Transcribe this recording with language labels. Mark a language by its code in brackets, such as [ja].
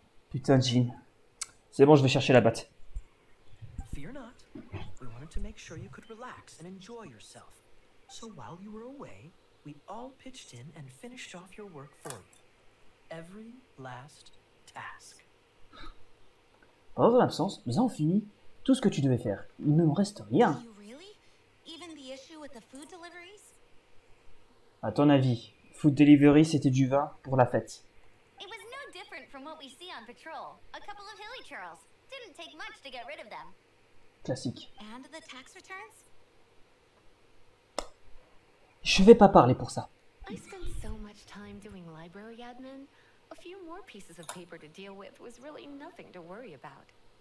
[fr] Putain, Jean. C'est bon, je vais chercher la batte. [en] Fear not. We wanted to make sure you could relax and enjoy yourself. So while you were away, we all pitched in and finished off your work for you. Every last task. [fr] Pendant ton absence, nous avons fini tout ce que tu devais faire. Il ne nous reste rien. [en] Do you really? Even the issue with the food deliveries? [fr] À ton avis, food delivery, c'était du vin pour la fête. [en] It was no different from what we see on patrol. A couple of hilly churls. Didn't take much to get rid of them. [fr] Classique. [en] And the tax returns? [fr] Je vais pas parler pour ça. [en] I spent so much time doing library admin. A few more pieces of paper to deal with was really nothing to worry about.